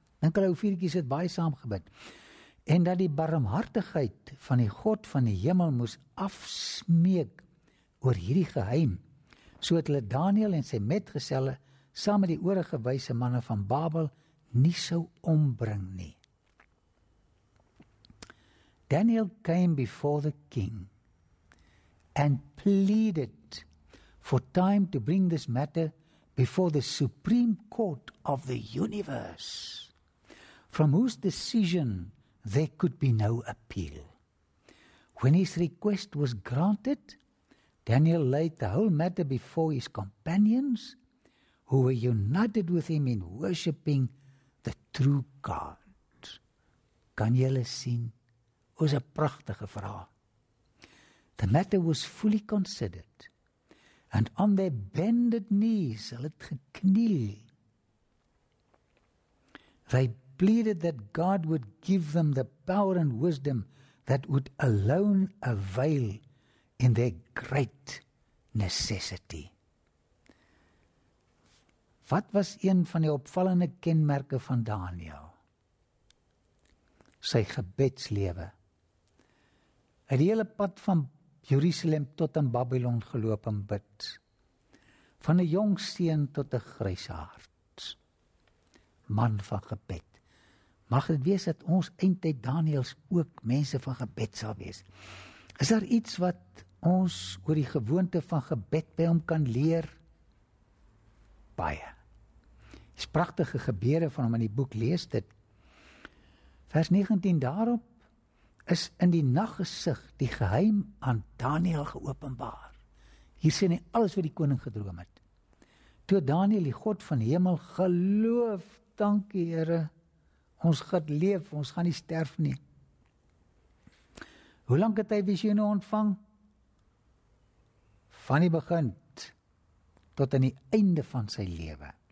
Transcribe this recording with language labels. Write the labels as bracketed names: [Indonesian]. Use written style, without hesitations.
[Afrikaans] Dink hulle hoe vierkies het baie saamgebid. En dat die barmhartigheid van die God van die hemel moes afsmeek oor hierdie geheim, so het hulle Daniël en sy metgeselle saam met die oorige wyse manne van Babel nie sou ombring nie. [English] Daniel came before the king and pleaded for time to bring this matter before the supreme court of the universe, from whose decision there could be no appeal. When his request was granted, Daniel laid the whole matter before his companions, who were united with him in worshipping the true God. [Afrikaans] Kan julle sien? Was a prachtige vraag. [English] The matter was fully considered, and on their bended knees, [Afrikaans] hulle het gekniel, [English] they pleaded that God would give them the power and wisdom that would alone avail in their great necessity. [Afrikaans] Wat was een van die opvallende kenmerke van Daniël? Sy gebedslewe. Het die hele pad van Jerusalem tot in Babylon geloop en bid. Van 'n jong seun tot 'n grysaard. Man van gebed. Mag dit wees dat ons eintyd Daniëls ook mense van gebed sal wees. Is daar iets wat ons oor die gewoonte van gebed by hom kan leer? Baie. Die pragtige gebede van hom in die boek, lees dit. Vers 19 daarop. Is in die naggesig die geheim aan Daniël geopenbaar. Hier sien hy alles wat die koning gedroom het. Toe Daniël die God van hemel geloof, dankie Here, ons gaan leef, ons gaan nie sterf nie. Hoe lank het hy visioene ontvang? Van die begin tot aan die einde van sy lewe.